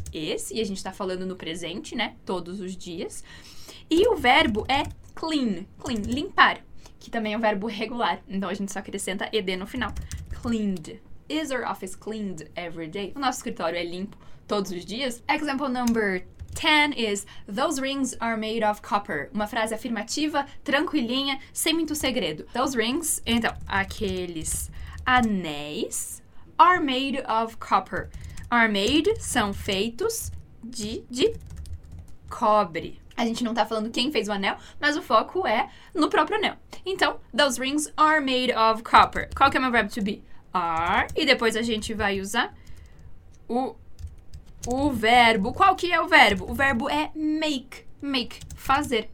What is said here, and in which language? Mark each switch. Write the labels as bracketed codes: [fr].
[pt] Is, e a gente tá falando no presente, né? Todos os dias. E o verbo é clean. Clean, limpar. Que também é um verbo regular. Então, a gente só acrescenta ed no final. Cleaned. [en] Is our office cleaned every day? [pt] O nosso escritório é limpo todos os dias? [en] Example number 10 is Those rings are made of copper. [pt] Uma frase afirmativa, tranquilinha, sem muito segredo. [en] Those rings, [pt] então, aqueles anéis [en] are made of copper. Are made, [pt] são feitos de cobre. A gente não tá falando quem fez o anel, mas o foco é no próprio anel. Então, [en] those rings are made of copper. [pt] Qual que é meu verbo to be? Are, e depois a gente vai usar o verbo. Qual que é o verbo? O verbo é make, make, fazer.